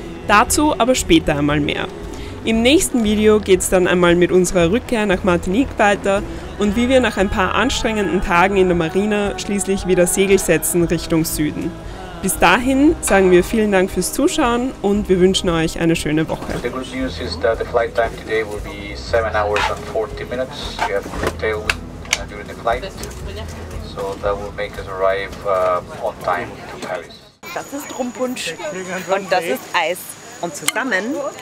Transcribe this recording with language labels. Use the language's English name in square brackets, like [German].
[German] Dazu aber später einmal mehr. Im nächsten Video geht es dann einmal mit unserer Rückkehr nach Martinique weiter und wie wir nach ein paar anstrengenden Tagen in der Marina schließlich wieder Segel setzen Richtung Süden. Bis dahin sagen wir vielen Dank fürs Zuschauen und wir wünschen euch eine schöne Woche. [English] The good news is that the flight time today will be 7 hours and 40 minutes. We have a great tailwind during the flight, so that will make us arrive on time to Paris. [German] Das ist Rumpunsch und das ist Eis und zusammen